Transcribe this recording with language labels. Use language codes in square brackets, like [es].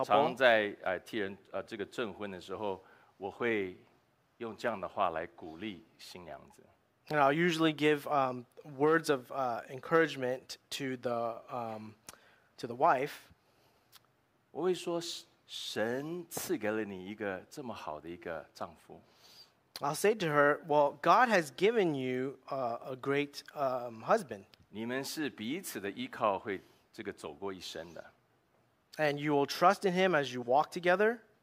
[zh] 我常在, 替人, 这个证婚的时候, 我会用这样的话来鼓励新娘子。 [en] And I'll usually give words of encouragement to the wife. [zh] 我会说神赐给了你一个这么好的一个丈夫。 [en] I'll say to her, "Well, God has given you a great husband." [zh] 你们是彼此的依靠，会这个走过一生的。 [en] And you will trust in him as you walk together.